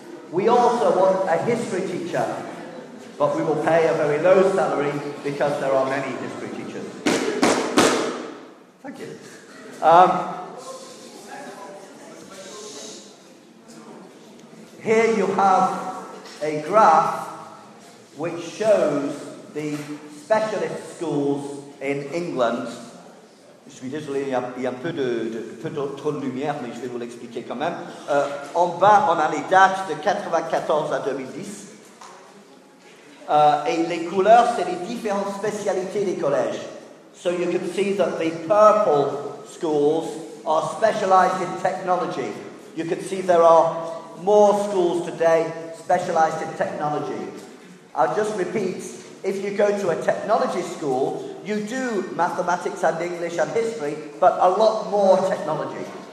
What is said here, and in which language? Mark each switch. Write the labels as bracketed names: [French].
[English] We also want a history teacher, but we will pay a very low salary because there are many history teachers. Thank you. Here you have a graph which shows the specialist schools in England. [French] Je suis désolé, il y a un peu de lumière, mais je vais vous l'expliquer quand même. En bas, on a les dates de 94 à 2010. Et les couleurs, c'est les différentes spécialités des collèges. [English] So you can see that the purple schools are specialized in technology. You can see there are more schools today specialized in technology. I'll just repeat, if you go to a technology school, you do mathematics and English and history, but a lot more technology.